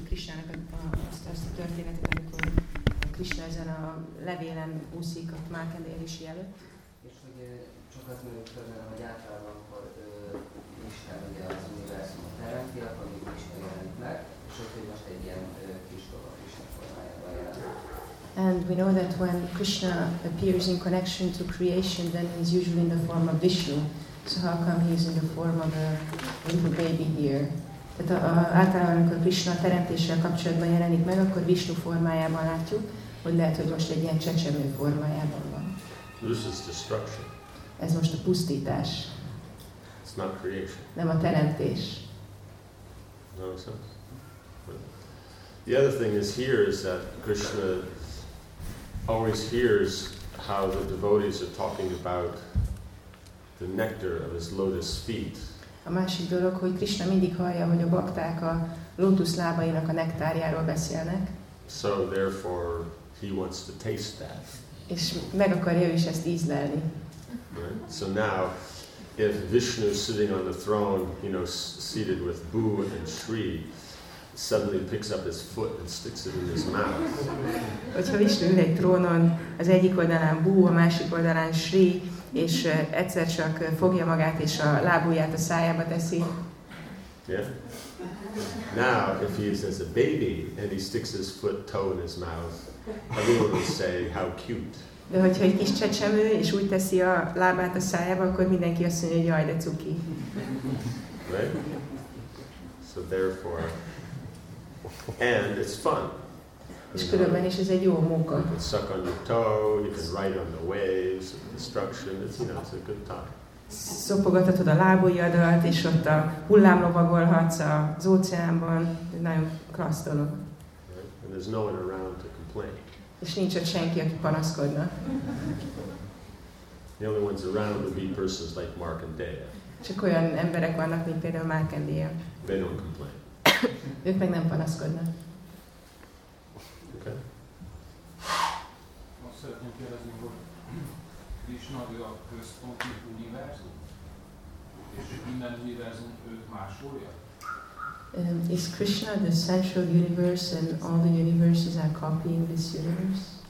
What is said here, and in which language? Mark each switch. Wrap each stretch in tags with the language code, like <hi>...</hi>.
<hu>Krisnának azt a történetet, amikor Krisna ezen a levélen úszik a Márkandéjési előtt. És hogy csak azt mondjuk tudom, hogy általában akkor Krisna ugye az univerzumot teremti, akkor még Krisna jelenik meg, és ott hogy most egy ilyen kis dolog Krisna formájában jelent.</hu> <en>And we know that when Krishna appears in connection to creation, then he's usually in the form of Vishnu. So how come he's in the form of a little baby here?</en> <hu>Tehát általában, amikor Krishna a teremtéssel kapcsolatban jelenik meg, akkor Vishnu formájában látjuk, hogy lehet, hogy most egy ilyen csecsemő formájában van.</hu> <en>This is destruction.</en> <hu>Ez most a pusztítás.</hu> <en>It's not creation.</en> <hu>Nem a teremtés.</hu> <en>No sense. The other thing is here is that Krishna always hears how the devotees are talking about the nectar of his lotus feet.</en> <hu>A másik dolog, hogy Krishna mindig hallja, hogy a bakták a lótusz lábainak a nektárjáról beszélnek.</hu> <en>So therefore he wants to taste that.</en> <hu>És meg akarja ő is ezt ízlelni.</hu> <en>Right? So now if Vishnu is sitting on the throne, you know, seated with Bhu and Shri, suddenly picks up his foot and sticks it in his mouth.</en> <hu>Hogyha Vishnu ül egy trónon, az egyik oldalán Bhu, a másik oldalán Shri, és egyszer csak fogja magát és a lábujját a szájába teszi.</hu> <en>Yeah. Now, if he is as a baby and he sticks his foot toe in his mouth, everyone will say how cute.</en> <hu>De hogyha egy kis csecsemő és úgy teszi a lábát a szájába, akkor mindenki azt mondja, hogy jaj, de cuki.</hu> <en>Right. So therefore. And it's fun.</en> <hu>És különben is ez egy jó munka.</hu> <en>You can suck on your toe, you can ride on the waves of destruction. It's, you know, it's a good time.</en> <hu>Szopogathatod a lábujjadat, és ott a hullámlovagolhatsz az óceánban. Ez nagyon klassz dolog.</hu> <en>Right? And there's no one around to complain.</en> <hu>És nincs ott senki, aki panaszkodna.</hu> <en>The only ones around would be persons like Markandeya.</en> <hu>Csak olyan emberek vannak, mint például Markandeya.</hu> <en>They don't complain.</en> <hu>Ők meg nem panaszkodnak.</hu> <en>Okay.</en> <hu>Azt szeretném kérdezni, hogy Krisna a központi univerzum, és minden univerzum őt másolja?</hu> <en>Is Krishna the central universe and all the universes are copying this universe?</en>